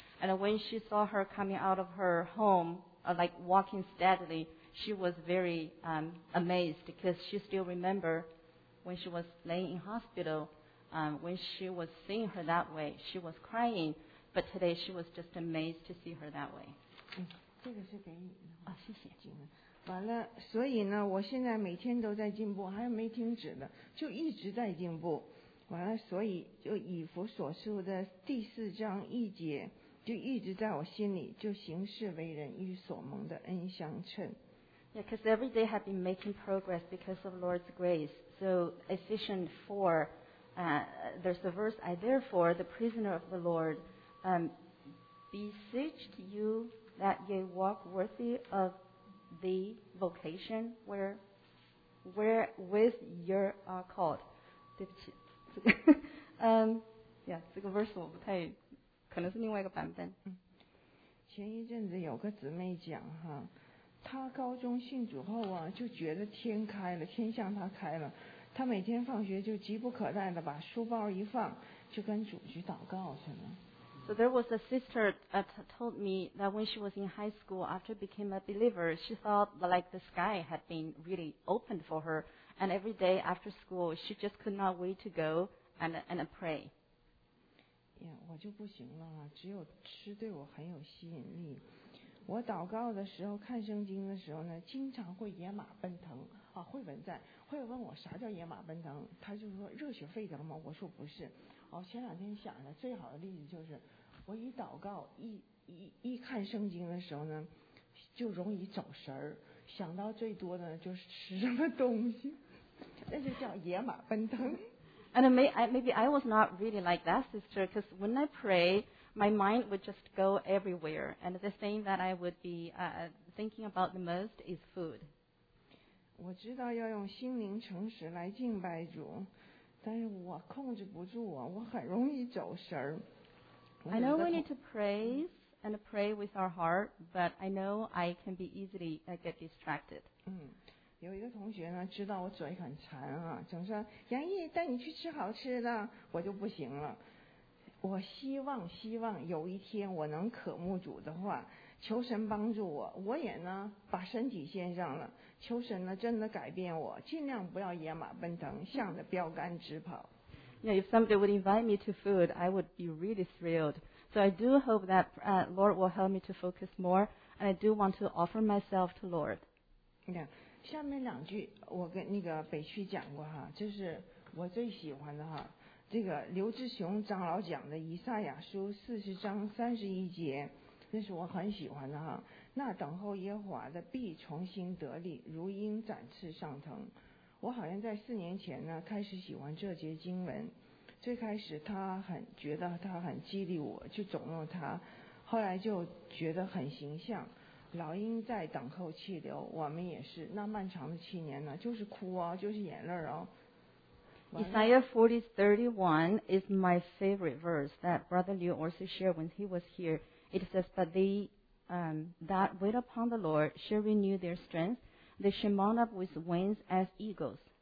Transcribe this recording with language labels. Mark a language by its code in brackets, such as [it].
[en] And when she saw her coming out of her home, like walking steadily, she was very amazed because she still remembered when she was laying in hospital, when she was seeing her that way, she was crying, but today she was just amazed to see her that way. [zh] 这个是给你的。啊，谢谢。完了，所以呢，我现在每天都在进步，还没停止呢，就一直在进步。完了，所以就以弗所书的第四章一节。就一直在我心里，就行事为人与所蒙的恩相称。 [en] Yeah, because every day I've been making progress because of Lord's grace. So Ephesians 4, there's a verse, I therefore, the prisoner of the Lord, beseech you that ye walk worthy of the vocation wherewith you are called. [zh] 对不起，这个这个 verse 我不太。可能是另外一个版本。前一阵子有个姊妹讲哈，她高中信主后啊，就觉得天开了，天向她开了。她每天放学就急不可待的把书包一放，就跟主去祷告去了。 [en] So there was a sister that told me that when she was in high school, after became a believer, she thought like the sky had been really opened for her, and every day after school, she just could not wait to go and pray. [zh] Yeah, 我就不行了，只有吃对我很有吸引力。我祷告的时候，看圣经的时候呢，经常会野马奔腾啊。慧文在，慧文问我啥叫野马奔腾，他就说热血沸腾吗？我说不是。哦，前两天想的最好的例子就是，我一祷告一看圣经的时候呢，就容易走神儿，想到最多的就是吃什么东西，那就叫野马奔腾。 [en] And maybe I was not really like that, sister, because when I pray, my mind would just go everywhere. And the thing that I would be thinking about the most is food. [zh] 我知道要用心灵诚实来敬拜主，但是我控制不住啊，我很容易走神儿。 [en] I know we need to praise and pray with our heart, but I know I can be easily get distracted. [zh] 有一个同学呢，知道我嘴很馋啊，总说杨毅带你去吃好吃的，我就不行了。我希望有一天我能渴慕主的话，求神帮助我，我也呢把身体献上了，求神呢真的改变我，尽量不要野马奔腾，向着标杆直跑。 [en] Yeah, if somebody would invite me to food, I would be really thrilled. So I do hope that Lord will help me to focus more, and I do want to offer myself to Lord. Yeah. [zh] 下面两句我跟那个北区讲过哈，这是我最喜欢的哈，这个刘志雄长老讲的以赛亚书40章31节，那是我很喜欢的哈。那等候耶和华的必重新得力，如鹰展翅上腾。我好像在4年前呢开始喜欢这节经文，最开始他很觉得他很激励我去总弄他，后来就觉得很形象，老鹰在等候气流，我们也是。那漫长的7年呢，就是哭啊，就是眼泪啊。 [en] Isaiah 40:31 is my favorite verse that Brother Liu also shared when he was here. It says, "But they that wait upon the Lord shall renew their strength; they shall mount up with wings as eagles."